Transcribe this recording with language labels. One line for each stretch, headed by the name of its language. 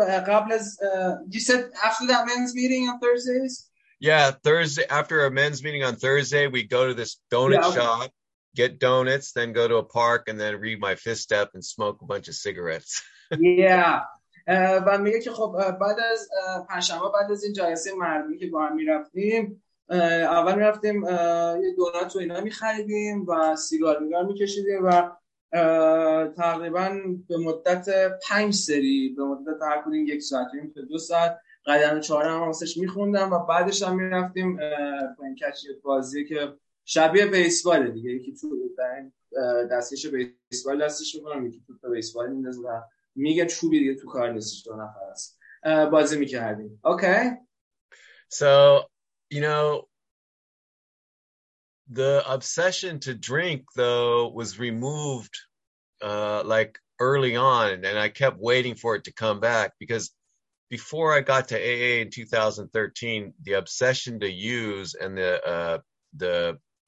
English: You said after that men's meeting on Thursdays? Yeah, Thursday after a men's meeting on Thursday, we go to this donut shop, get donuts, then go to a park, and then read my fifth step and smoke a bunch of cigarettes. Yeah.
Persian: و میگه که خب بعد از پنجشنبه بعد از این جلسه مردمی که با هم میرفتیم، اول میرفتیم یه دونات و اینا میخریدیم و سیگار میگار میکشیدیم و تقریبا به مدت پنج سری به مدت هر کدوم یک ساعت تا دو ساعت قدم چهار هم واسش میخوندم و بعدش هم میرفتیم کچ بازی که شبیه بیسباله دیگه، یکی تو دستش بیسبال دستش میکنم یکی تو بیسبال میندازم میگه چوبی دیگه تو کار نیستش دو نفر است بازی میکردیم. اوکی.
English: So you know the obsession to drink though was removed like early on, and I kept waiting for it to come back because before I got to AA in 2013 the obsession to use and the